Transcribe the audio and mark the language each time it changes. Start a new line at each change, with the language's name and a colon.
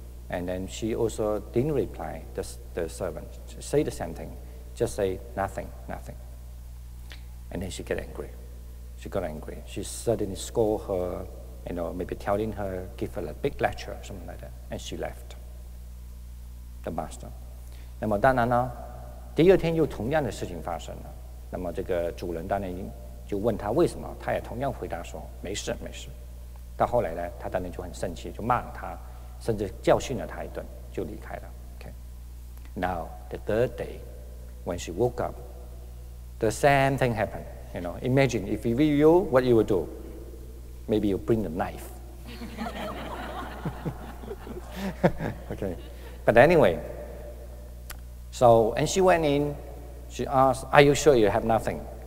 English: And then she also didn't reply, the servant, say the same thing, just say nothing, nothing. And then she got angry. She suddenly scolded her, you know, maybe telling her, give her a big lecture or something like that. And she left the master.
Chinese: 那么当然呢, 第二天又同样的事情发生了，那么这个主人当然就问他为什么，他也同样回答说没事没事。到后来呢，他当然就很生气，就骂了他，甚至教训了他一顿，就离开了。Okay.
English: Now the third day, when she woke up, the same thing happened. You know, imagine if it were you, what you would do? Maybe you bring the knife. Okay, but anyway. So, and she went in, she asked, are you sure you have nothing?